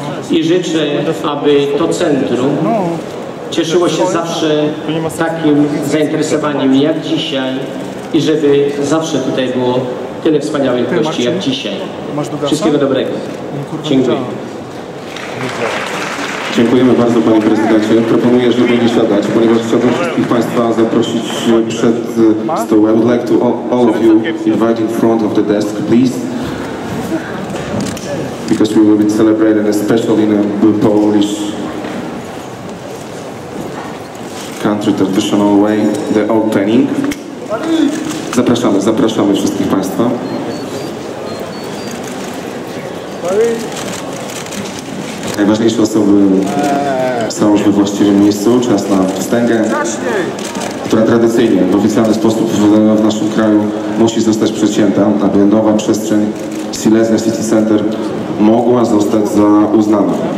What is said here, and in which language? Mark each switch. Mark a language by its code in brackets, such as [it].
[pl] I życzę, aby to centrum cieszyło się zawsze takim zainteresowaniem jak dzisiaj i żeby zawsze tutaj było tyle wspaniałych gości jak dzisiaj. Wszystkiego dobrego. Dziękuję. Dziękujemy bardzo, panie prezydencie. Proponuję, żeby nie siadać, ponieważ chciałbym wszystkich państwa zaprosić przed stołem. [en] I would like to all of you invite in front of the desk, please. Because we will be celebrating, especially in a Polish country traditional way, the opening. [pl] Zapraszamy wszystkich państwa. Najważniejsze osoby są już we właściwym miejscu. Czas na wstęgę, która tradycyjnie, w oficjalny sposób w naszym kraju musi zostać przecięta, aby nowa przestrzeń Silesia City Center mogła zostać uznana.